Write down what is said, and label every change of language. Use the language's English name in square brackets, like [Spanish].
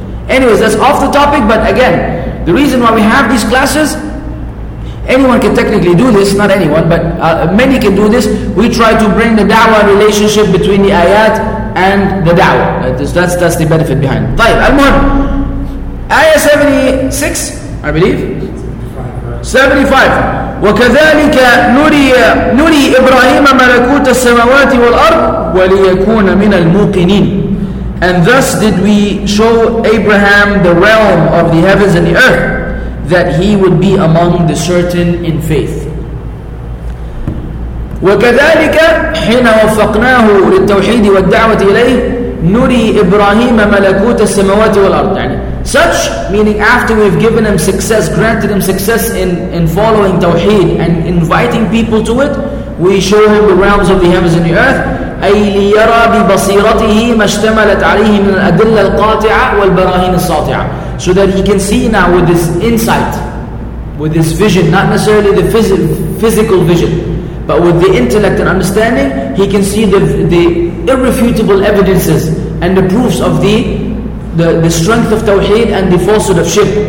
[English] Anyways, that's off the topic, but again, the reason why we have these classes, anyone can technically do this, not anyone, but many can do this. We try to bring the da'wah relationship between the ayat and the da'wah. That's the benefit behind it. [Arabic] طيب, المهم, [English] ayah 76, I believe. 75. [Arabic] وكذلك نري إبراهيم ملكوت السماوات والأرض وليكون من الموقنين. [English] And thus did we show Abraham the realm of the heavens and the earth, that he would be among the certain in faith. [Arabic] وكذلك حين وفقناه للتوحيد والدعوة إليه نري إبراهيم ملكوت السماوات والأرض. [English] Such, meaning after we've given him success, granted him success in following Tawheed and inviting people to it, we show him the realms of the heavens and the earth. [Arabic] أي ليرى ببصيرته ما اشتملت عليه من الأدلة القاطعة والبراهين الساطعة. [English] So that he can see now with his insight, with his vision, not necessarily the physical vision, but with the intellect and understanding, he can see the irrefutable evidences and the proofs of the strength of Tawheed and the falsehood of shirk.